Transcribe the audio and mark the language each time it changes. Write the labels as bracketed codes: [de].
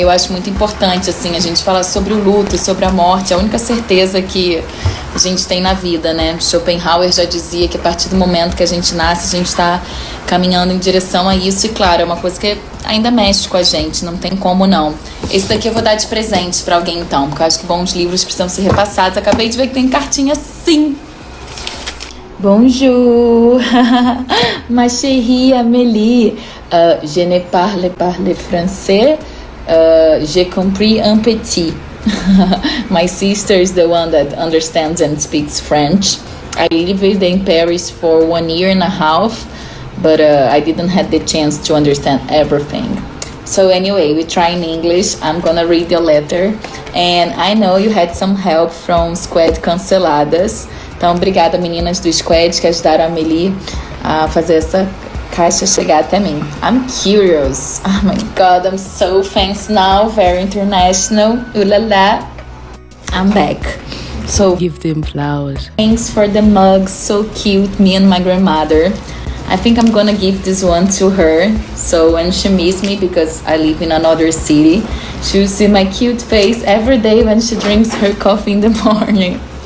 [pt] Eu acho muito importante, assim, a gente falar sobre o luto, sobre a morte, a única certeza que a gente tem na vida, né? Schopenhauer já dizia que a partir do momento que a gente nasce, a gente tá caminhando em direção a isso, e claro, é uma coisa que ainda mexe com a gente, não tem como não. Esse daqui eu vou dar de presente pra alguém, então, porque eu acho que bons livros precisam ser repassados. Acabei de ver que tem cartinha, sim! [fr] Bonjour, ma chérie Amélie, je ne parle pas le français, j'ai compris un petit. [en] My sister is the one that understands and speaks French. I lived in Paris for 1.5 years, but I didn't have the chance to understand everything. So anyway, we try in English. I'm gonna read your letter. And I know you had some help from Squad Canceladas. [pt] Então, obrigada, meninas do Squad, que ajudaram a Amélie a fazer essa caixa chegar até mim. [en] I'm curious. Oh, my God, I'm so fancy now, very international. Ulala. I'm back. So, give them flowers. Thanks for the mugs. So cute, me and my grandmother. I think I'm gonna give this one to her. So, when she meets me, because I live in another city, she'll see my cute face every day when she drinks her coffee in the morning.